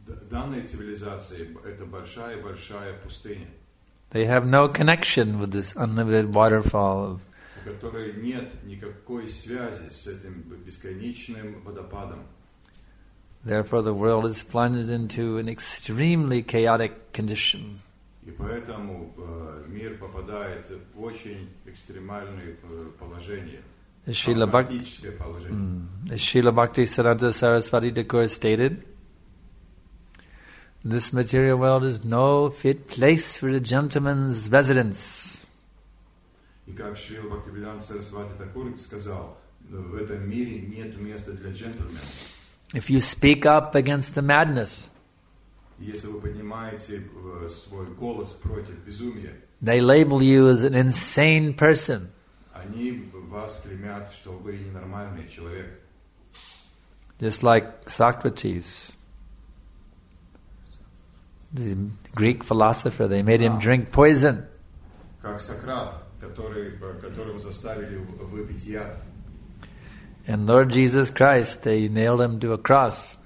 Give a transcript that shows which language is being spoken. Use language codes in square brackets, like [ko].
[ru] Данной цивилизации это большая-большая пустыня. [en] They have no connection with this unlimited waterfall of. [ru] У которой нет никакой связи с этим бесконечным водопадом. [en] Therefore, the world is plunged into an extremely chaotic condition. [ru] И поэтому мир попадает в очень экстремальное положение. [en] As Srila Bhakti Siddhanta Sarasvati Thakur stated, this material world is no fit place for a gentleman's residence. [ru] И как Шрила Бхактивиданта Сарасвати Такур сказал, в этом мире нет места для джентльменов. [en] If you speak up against the madness, [ru] если вы поднимаете свой голос против безумия, [en] they label you as an insane person. [ru] Они вас клеймят, что вы ненормальный человек. [en] Just like Socrates, the Greek philosopher, they made him drink poison. [ru] Как Сократ, которого заставили выпить яд. [en] And Lord Jesus Christ, they nailed him to a cross.